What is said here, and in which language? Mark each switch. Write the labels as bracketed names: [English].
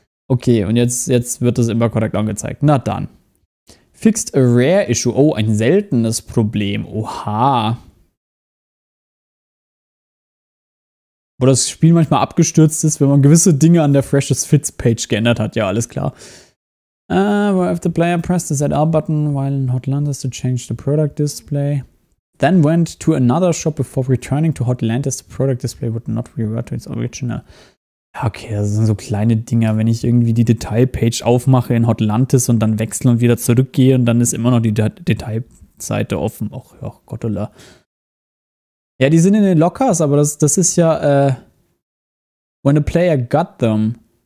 [German] Okay, und jetzt wird es immer korrekt angezeigt. Na dann. [English] Fixed a rare issue. [German] Oh, ein seltenes Problem. Oha. Wo das Spiel manchmal abgestürzt ist, wenn man gewisse Dinge an der Freshest Fits Page geändert hat. Ja, alles klar. [English] Where if the player pressed the ZR button while in Hotlantis to change the product display, then went to another shop before returning to Hotlantis, the product display would not revert to its original. [German] Okay, das sind so kleine Dinger. Wenn ich irgendwie die Detailpage aufmache in Hotlantis und dann wechsle und wieder zurückgehe und dann ist immer noch die Detailseite offen. Och, ja, Gottola. Ja, die sind in den Lockers, aber das ist ja, [English] when a player got them.